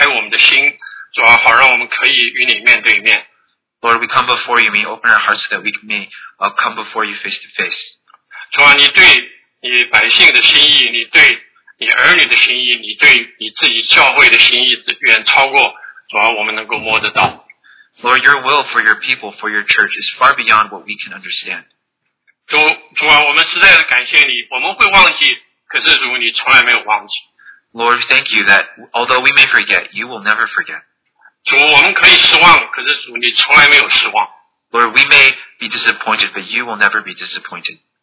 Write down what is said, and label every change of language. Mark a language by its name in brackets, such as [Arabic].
[Chinese] 主啊我们来到你面前求你开我们的心主啊好让我们可以与你面对面. [English] Lord, we come before you, may you open our hearts so that we may come before you face to face. [Chinese] 主啊,你对你百姓的心意,你对你儿女的心意,你对你自己教会的心意,远超过主啊,我们能够摸得到. [English] Lord, your will for your people, for your church is far beyond what we can understand. [Chinese] 主啊,我们实在感谢你,我们会忘记,可是主,你从来没有忘记. [English] Lord, thank you that although we may forget, you will never forget. [Chinese] 主,我们可以失望,可是主,你从来没有失望。 [English] Lord, we may be disappointed, but you will never be disappointed.